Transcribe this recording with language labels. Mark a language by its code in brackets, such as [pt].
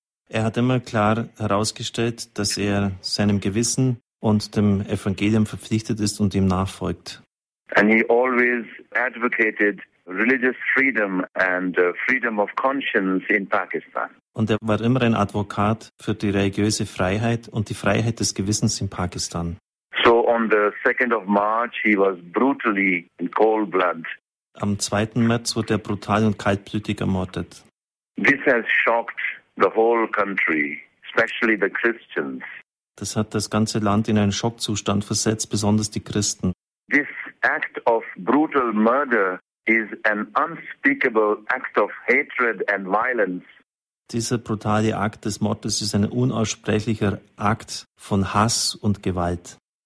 [de] Er hat immer klar herausgestellt, dass er seinem Gewissen und dem Evangelium verpflichtet ist und ihm nachfolgt. [en] And he always advocated religious freedom and freedom of conscience in Pakistan. [de] Und er war immer ein Advokat für die religiöse Freiheit und die Freiheit des Gewissens in Pakistan. [en] So on the 2nd of March he was brutally in cold blood. [de] Am 2. März wurde er brutal und kaltblütig ermordet. [en] This has shocked the whole country, especially the Christians. [de] Das hat das ganze Land in einen Schockzustand versetzt, besonders die Christen. [en] This act of brutal murder is an unspeakable act of hatred and violence. [de] Dieser brutale Akt des Mordes ist ein unaussprechlicher Akt von Hass und Gewalt.